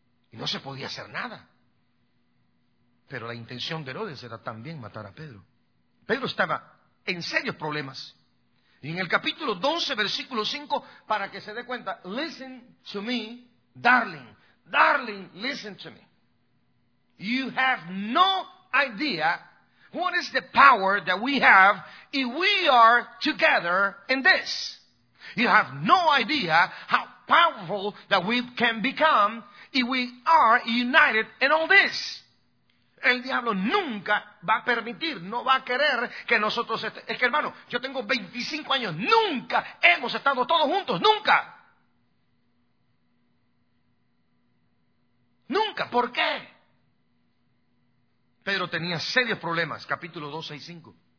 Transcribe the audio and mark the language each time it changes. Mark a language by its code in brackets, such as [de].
[es] Y no se podía hacer nada. Pero la intención de Herodes era también matar a Pedro. Pedro estaba en serios problemas. Y en el capítulo 12, versículo 5, para que se dé cuenta, [en] listen to me, darling. Darling, listen to me. You have no idea what is the power that we have if we are together in this. You have no idea how powerful that we can become y we are united in all this. [es] El diablo nunca va a permitir, no va a querer que nosotros estemos. Es que, hermano, yo tengo 25 años, nunca hemos estado todos juntos, nunca. Nunca, ¿por qué? Pedro tenía serios problemas, capítulo 2, 6, 5.